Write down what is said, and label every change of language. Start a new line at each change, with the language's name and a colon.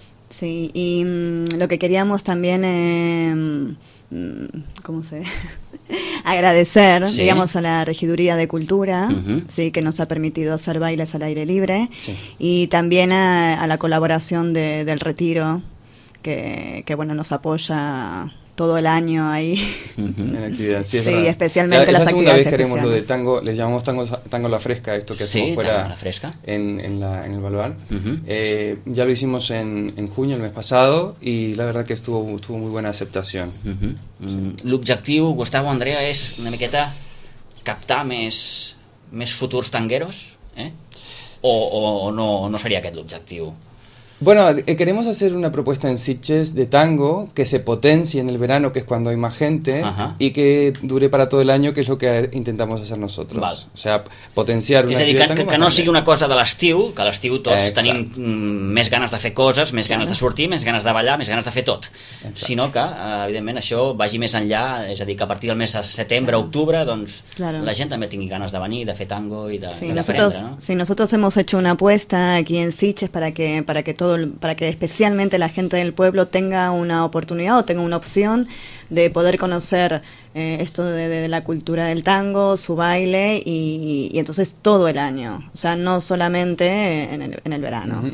Spanish: Sí, y lo que queríamos también, ¿cómo se agradecer, digamos, a la Regiduría de Cultura, sí, que nos ha permitido hacer bailes al aire libre, y también a la colaboración del Retiro, que bueno, nos apoya todo el año ahí. En actividad, sí, sí, especialmente las actividades. La segunda vez queremos lo de tango, le llamamos tango la fresca, esto que hacemos fuera. Tango la fresca. En el Baluart. Ya lo hicimos en junio, el mes pasado, y la verdad que estuvo muy buena aceptación.
Catalan: L'objectiu, Gustavo, Andrea, és una miqueta captar més futurs tangueros, o no seria aquest l'objectiu?
Spanish: Bueno, queremos hacer una propuesta en Sitges de tango que se potencie en el verano, que es cuando hay más gente, y que dure para todo el año, que es lo que intentamos hacer nosotros.
Catalan: Val.
Spanish: O sea, potenciar una actividad de tango.
Catalan: És a dir, que no sigui una cosa de l'estiu, que a l'estiu tots tenim més ganes de fer coses, més ganes de sortir, més ganes de ballar, més ganes de fer tot. Exacte. Sinó que, evidentment, això vagi més enllà, és a dir, que a partir del mes de setembre, octubre, doncs la gent també tingui ganes de venir, de fer tango i de aprendre.
Spanish: Sí, nosotros hemos hecho una apuesta aquí en Sitges para que especialmente la gente del pueblo tenga una oportunidad o tenga una opción de poder conocer esto de la cultura del tango, su baile y entonces todo el año, o sea, no solamente en el verano.